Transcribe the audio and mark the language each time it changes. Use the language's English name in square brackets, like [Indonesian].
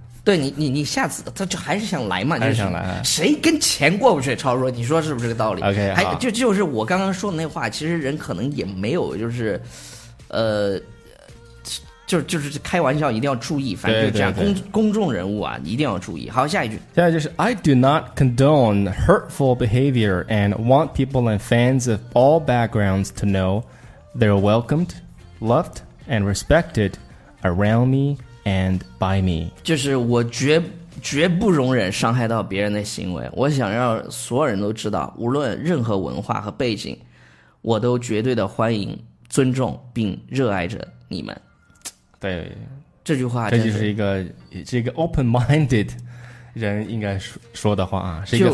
[Chinese] 对你下次他就还是想来嘛，就是、还是想来、啊。谁跟钱过不去？超说，你说是不是这个道理？OK，还就是我刚刚说的那话，其实人可能也没有，就是，就是开玩笑，一定要注意，反正就这样。对对对，公众人物啊，一定要注意。好，下一句。下一句就是 [English] I do not condone hurtful behavior and want people and fans of all backgrounds to know they're welcomed, loved, and respected around me and by me. [Chinese] 就是我绝不容忍伤害到别人的行为，我想让所有人都知道，无论任何文化和背景，我都绝对的欢迎、尊重并热爱着你们。对，这句话这就是一个 open-minded 人应该 说的话啊，是一个、